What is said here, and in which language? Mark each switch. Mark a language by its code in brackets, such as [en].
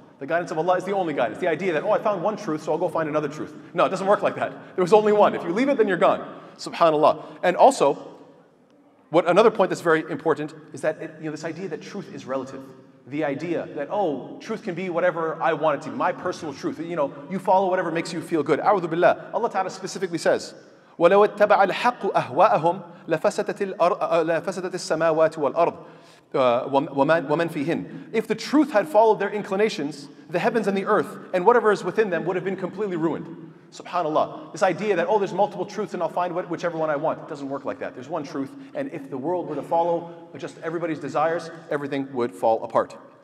[en] The guidance of Allah is the only guidance. The idea that, oh, I found one truth, so I'll go find another truth. No, it doesn't work like that. There was only one. If you leave it, then you're gone. Subhanallah. And also, what another point that's very important is that this idea that truth is relative. The idea that, oh, truth can be whatever I want it to be, my personal truth. You know, you follow whatever makes you feel good. A'udhu billah. [ar] Allah Ta'ala specifically says, وَلَوَ اتَّبَعَ الْحَقُّ أَهْوَاءَهُمْ لَفَسَدَتِ السَّمَاوَاتُ وَالْأَرْضُ وَمَنْ فِيهِنْ. [en] If the truth had followed their inclinations, the heavens and the earth, and whatever is within them would have been completely ruined. SubhanAllah. This idea that, oh, there's multiple truths and I'll find whichever one I want. It doesn't work like that. There's one truth. And if the world were to follow just everybody's desires, everything would fall apart.